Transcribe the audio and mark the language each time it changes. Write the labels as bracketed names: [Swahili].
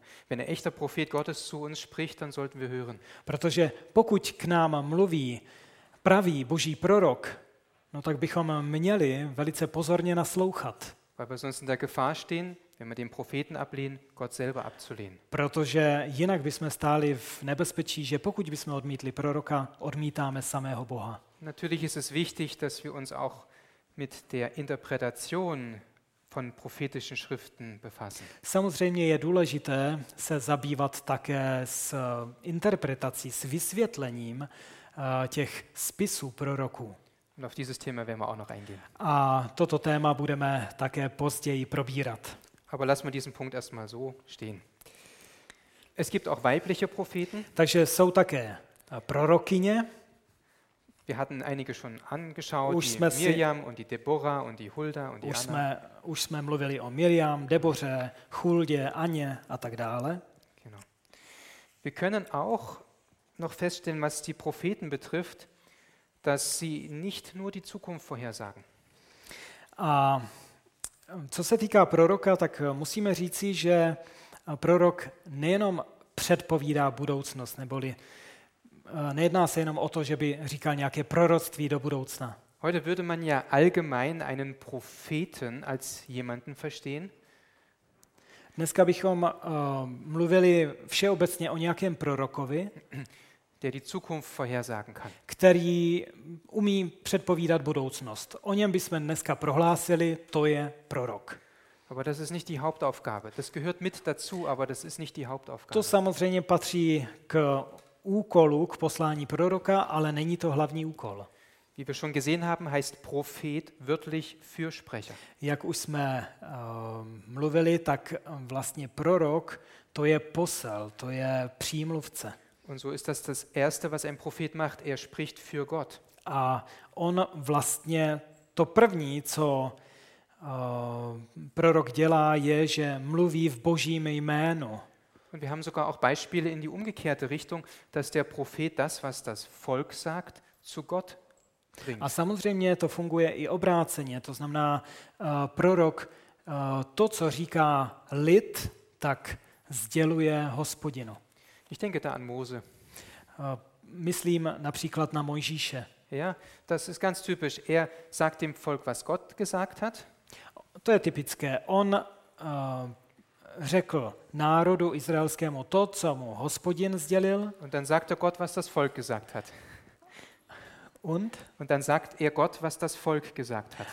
[German] Wenn ein echter Prophet Gottes zu uns spricht, dann sollten wir hören. [Czech] Protože pokud k nám mluví pravý Boží prorok, no tak bychom měli velice pozorně naslouchat. [German] Weil wir sonst in der Gefahr stehen, wenn wir den Propheten ablehnen, Gott selber abzulehnen. [Czech] Protože jinak bychom stáli v nebezpečí, že pokud bychom odmítli proroka, odmítáme samého Boha. [German] Natürlich ist es wichtig, dass wir uns auch mit der Interpretation von prophetischen Schriften befassen. [Czech] Samozřejmě je důležité se zabývat také s interpretací, s vysvětlením těch spisů proroků. [German] Und auf dieses Thema werden wir auch noch eingehen. [Czech] A toto téma budeme také později probírat. [German] Aber lassen wir diesen Punkt erstmal so stehen. Es gibt auch weibliche Propheten. [Czech] Takže jsou také prorokyně. [German] Wir hatten einige schon angeschaut, už die Miriam si... und die Deborah und die Hulda und die Anna. [Czech] Už jsme mluvili o Miriam, Deboře, Huldě, Aně a tak dále. [German] Genau. Wir können auch noch feststellen, was die Propheten betrifft, dass sie nicht nur die Zukunft vorhersagen. [Czech] A co se týká proroka, tak musíme říci, že prorok nejenom předpovídá budoucnost, neboli nejedná se jenom o to, že by říkal nějaké proroctví do budoucna. [German] Heute würde man ja allgemein einen Propheten als jemanden verstehen. [Czech] Dneska bychom mluvili všeobecně o nějakém prorokovi, [German] der die Zukunft vorhersagen kann. [Czech] Který umí předpovídat budoucnost. O něm bychom dneska prohlásili, to je prorok. [German] Aber das ist nicht die Hauptaufgabe. Das gehört mit dazu, aber das ist nicht die Hauptaufgabe. [Czech] To samozřejmě patří k úkolu, k poslání proroka, ale není to hlavní úkol. [German] Wie wir schon gesehen haben, heißt Prophet wörtlich Fürsprecher. [Czech] Jak už jsme mluvili, tak vlastně prorok, to je posel, to je přímluvce. [German] Und so ist das erste, was ein Prophet macht, er spricht für Gott. [Czech] A on vlastně to první, co prorok dělá, je, že mluví v Božím jménu. [German] Und wir haben sogar auch Beispiele in die umgekehrte Richtung, dass der Prophet das, was das Volk sagt, zu Gott bringt. [Czech] A samozřejmě to funguje i obráceně, to znamená prorok to, co říká lid, tak sděluje Hospodinu. [German] Ich denke da an Mose. [Czech] Myslím například na Mojžíše. [German] Ja, das ist ganz typisch. Er sagt dem Volk, was Gott gesagt hat. [Czech] To je typické. On řekl národu izraelskému to, co mu Hospodin sdělil. [German] Und dann sagt er Gott, was das Volk gesagt hat. Und? Und dann sagt er Gott, was das Volk gesagt hat.